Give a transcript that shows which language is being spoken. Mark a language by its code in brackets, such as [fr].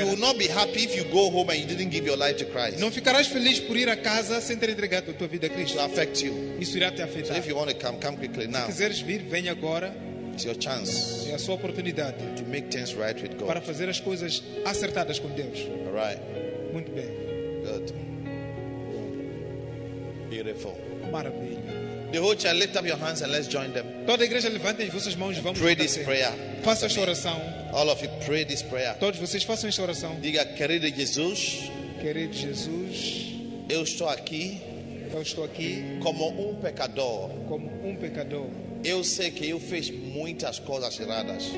[en] You will not be happy if you go home and you didn't give your life to Christ. [pt] Não ficarás feliz por ir a casa sem ter entregado a tua vida a Cristo. [en] It will affect you. [pt] Isso irá te afetar. [en] So if you want to come, come quickly now. [pt] Se quiseres vir, venha agora. [en] It's your chance. [pt] É a sua oportunidade. [en] To make things right with God. [pt] Para fazer as coisas acertadas com Deus. [en] All right. [pt] Muito bem. [en] Good. Beautiful. [pt] Maravilha. [en] The whole church, lift up your hands and let's join them. [pt] Toda a igreja levante as vossas mãos e vamos. [en] Pray this prayer. [pt] Faça esta oração. [en] All of you pray this prayer. [pt] Todos vocês façam esta oração. Diga, querido Jesus. Querido Jesus. Eu estou aqui. Eu estou aqui. Como pecador. Como pecador. Eu sei que eu fiz muitas coisas erradas.